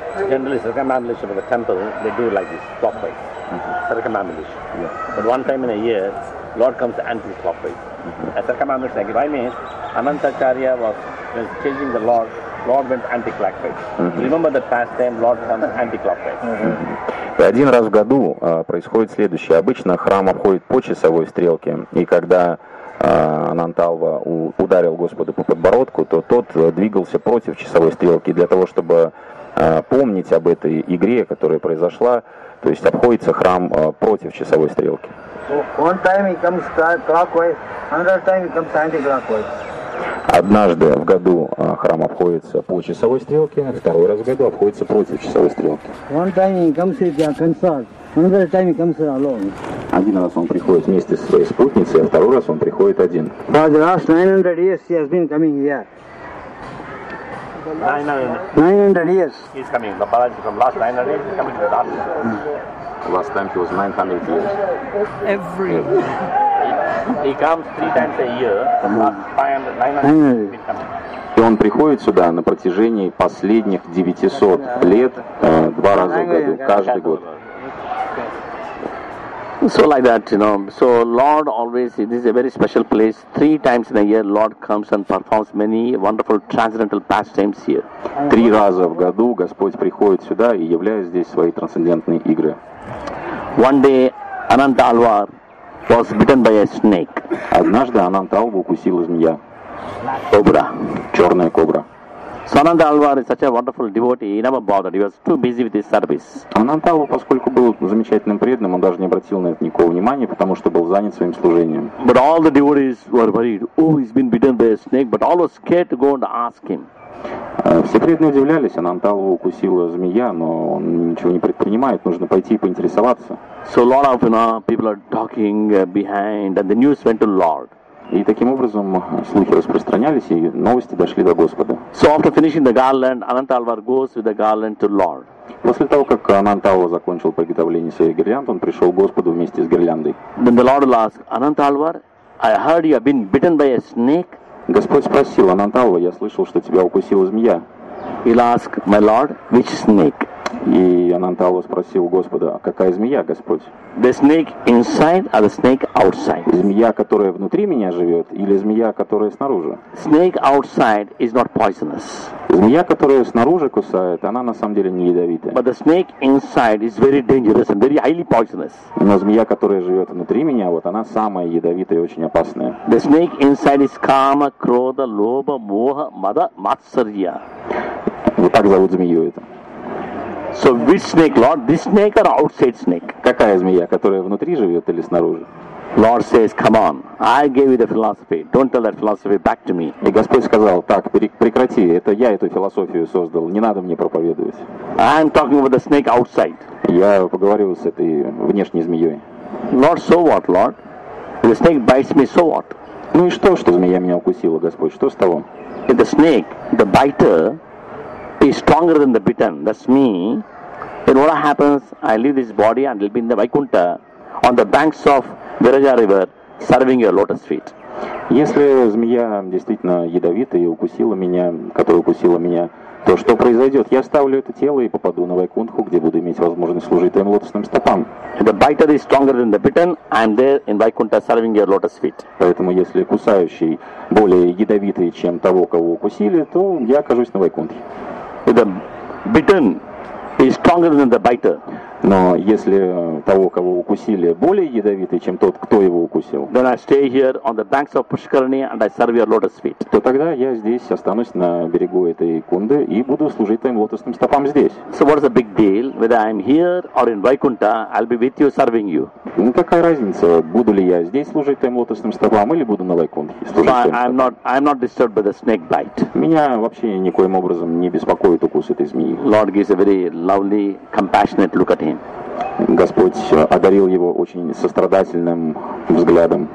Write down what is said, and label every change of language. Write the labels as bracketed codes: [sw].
[en] Generally, circumambulation of the temple, they do like this, clockwise, circumambulation. Yeah. But one time in a year, Lord comes anti-clockwise. Mm-hmm. A circumambulation, like if I mean, Anantacharya was chasing the Lord, Lord went anti-clockwise. Mm-hmm. Remember that past time, Lord comes anti-clockwise. Mm-hmm. [ru] И один раз в году происходит следующее. Обычно храм обходит по часовой стрелке, и когда Анантальва ударил Господа по подбородку, то тот двигался против часовой стрелки для того, чтобы помнить об этой игре, которая произошла, то есть обходится храм против часовой стрелки. [en] One time he comes clockwise, another time he comes anti-clockwise. [ru] Однажды в году храм обходится по часовой стрелке, второй раз в году обходится против часовой стрелки. [en] One time he comes with a consort, another time he comes alone. [ru] Один раз он приходит вместе со своей спутницей, а второй раз он приходит один. [en] For the last 900 years he has been coming here. 900 years. He's coming. The Balaji from last 900 years is coming to the last. Last time he was 900 years. Every. He comes 3 times a year. 900. [ru] И он приходит сюда на протяжении последних 900 лет 2 раза в году каждый год. [en] So like that, you know. So Lord always, this is a very special place. Three times in a year, Lord comes and performs many wonderful transcendental pastimes here. [ru] Три раза в году Господь приходит сюда и являет здесь свои трансцендентные игры. [en] One day, Ananta Alvar was bitten by a snake. [ru] Однажды Ананта Алвар укусила змея. Кобра. Черная кобра. [en] So Ananta Alvar is such a wonderful devotee. He never bothered. He was too busy with his service. [ru] Ананта Алвар, поскольку был замечательным преданным, он даже не обратил на это никакого внимания, потому что был занят своим служением. [en] But all the devotees were worried. Oh, he's been bitten by a snake. But all were scared to go and ask him. [ru] Все преданные удивлялись, Ананта Алвар укусила змея, но он ничего не предпринимает, нужно пойти и поинтересоваться. [en] So a lot of, you know, people are talking behind, and the news went to Lord. [ru] И таким образом слухи распространялись, и новости дошли до Господа. [en] So after finishing the garland, Ananta Alvar goes with the garland to Lord. [ru] После того, как Ананта Алвар закончил приготовление своей гирлянды, он пришел к Господу вместе с гирляндой. [en] Then the Lord will ask, Ananta Alvar, I heard you have been bitten by a snake. [ru] Господь спросил, Ананта Алвар, я слышал, что тебя укусила змея. [en] He'll ask, my Lord, which snake? [ru] И Ананта Алвар спросил Господа, какая змея, Господь? [en] The snake inside or the snake outside? [ru] Змея, которая внутри меня живет, или змея, которая снаружи? [en] Snake outside is not poisonous. [ru] Змея, которая снаружи кусает, она на самом деле не ядовитая. [en] But the snake inside is very dangerous and very highly poisonous. [ru] Но змея, которая живет внутри меня, вот она самая ядовитая и очень опасная. [en] The snake inside is kama, krodha, lobha, moha, mada, matsarya. [ru] Вот так зовут змею это. [en] So which snake, Lord? This snake or outside snake? [ru] Какая змея, которая внутри живет или снаружи? [en] Lord says, come on, I gave you the philosophy. Don't tell that philosophy back to me. [ru] И Господь сказал, так, прекрати, это я эту философию создал, не надо мне проповедовать. [en] I'm talking about the snake outside. [ru] Я поговорил с этой внешней змеей. [en] Lord, so what, Lord? If the snake bites me, so what? [ru] Ну и что, что змея меня укусила, Господь, что с того? [en] If the snake, the biter, is stronger than the bitten, that's me, then what happens, I leave this body and will be in the Vaikuntha on the banks of Viraja river serving your lotus feet. [ru] Если змея действительно ядовита и укусила меня, которая укусила меня, то что произойдет? Я оставлю это тело и попаду на Вайкунху, где буду иметь возможность служить твоим лотосным стопам. [en] The biter is stronger than the bitten, I'm there in Vaikuntha serving your lotus feet. [ru] Поэтому если кусающий более ядовитый, чем того, кого укусили, то я окажусь на Вайкунхе. [en] If the bitten is stronger than the biter. [ru] Но если того, кого укусили, более ядовитый, чем тот, кто его укусил, [en] then I stay here on the banks of Pushkarani and I serve your lotus feet. [ru] То тогда я здесь останусь на берегу этой Кунды и буду служить твоим лотосным стопам здесь. [en] So what is the big deal whether I'm here or in Vaikuntha? I'll be with you serving you. [ru] Ну какая разница, буду ли я здесь служить твоим лотосным стопам или буду на Вайкунтхе служить твоим стопам? [en] I'm not disturbed by the snake bite. [ru] Меня вообще никоим образом не беспокоит укус этой змеи. [en] Lord gives a very lovely, compassionate look at him. [ru] Господь одарил его очень сострадательным взглядом.